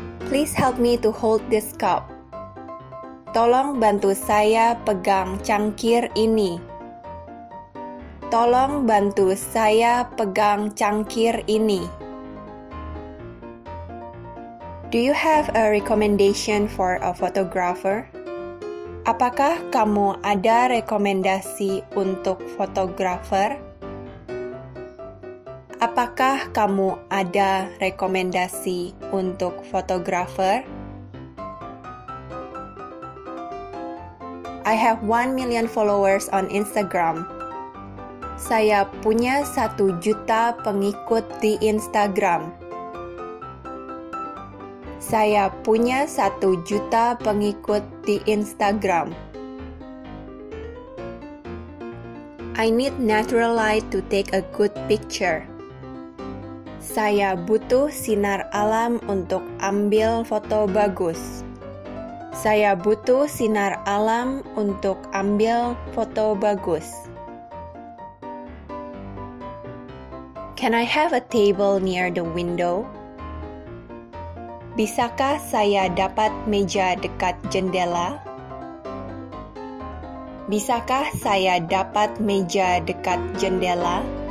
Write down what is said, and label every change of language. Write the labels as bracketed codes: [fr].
[en] Please help me to hold this cup. [id] Tolong bantu saya pegang cangkir ini. Tolong bantu saya pegang cangkir ini. [en] Do you have a recommendation for a photographer? [id] Apakah kamu ada rekomendasi untuk fotografer? Apakah kamu ada rekomendasi untuk fotografer? [en] I have 1 million followers on Instagram. [id] Saya punya 1 juta pengikut di Instagram. Saya punya 1 juta pengikut di Instagram. [en] I need natural light to take a good picture. [id] Saya butuh sinar alam untuk ambil foto bagus. Saya butuh sinar alam untuk ambil foto bagus. [en] Can I have a table near the window? [id] Bisakah saya dapat meja dekat jendela? Bisakah saya dapat meja dekat jendela?